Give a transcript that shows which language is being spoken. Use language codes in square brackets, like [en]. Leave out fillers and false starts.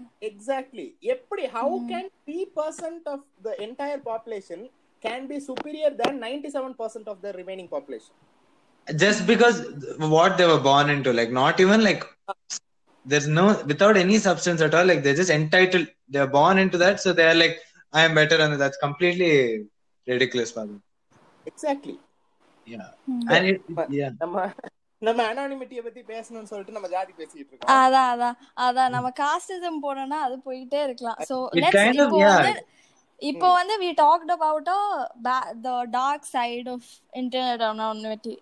[en] exactly, [ta] எப்படி [en] How can 3% of the entire population can be superior than 97% of the remaining population just because what they were born into, like not even like there's no without any substance at all, like they're just entitled, they're born into that, so they are like I am better than, that's completely ridiculous, brother. Exactly. Yeah. And it, yeah. [ta] நம்ம anonymity பத்தி பேசணும்னு சொல்லிட்டு நம்ம ஜாதி பேசிட்டு இருக்கோம். அதா அதா அதா நம்ம casteism போறனா அது போயிட்டே இருக்கலாம். [en] So let's go. [ta] இப்போ வந்து [en] we talked about the dark side of internet anonymity.